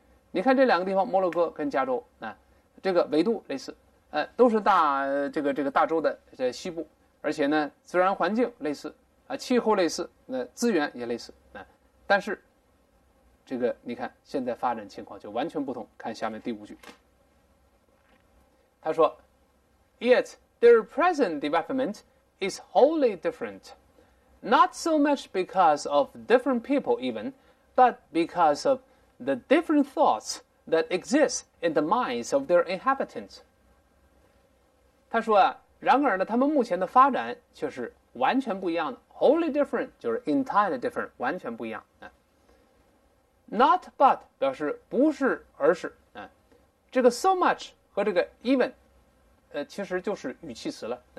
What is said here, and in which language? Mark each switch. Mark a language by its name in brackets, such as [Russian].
[Chinese] 你看这两个地方，摩洛哥跟加州，这个纬度类似，都是这个大洲的西部，而且呢，自然环境类似，气候类似，资源也类似，但是。这个你看，现在发展情况就完全不同。看下面第五句，他说：“ [English] Yet their present development is wholly different, not so much because of different people, even, but because of the different thoughts that exist in the minds of their inhabitants。” [Chinese] 他说啊，然而呢，他们目前的发展却是完全不一样的。 [English] Wholly different [Chinese] 就是 [English] entirely different， [Chinese] 完全不一样啊。 [English] Not but [Chinese] 表示不是而是，这个 [English] so much [Chinese] 和这个 even，其实就是语气词了，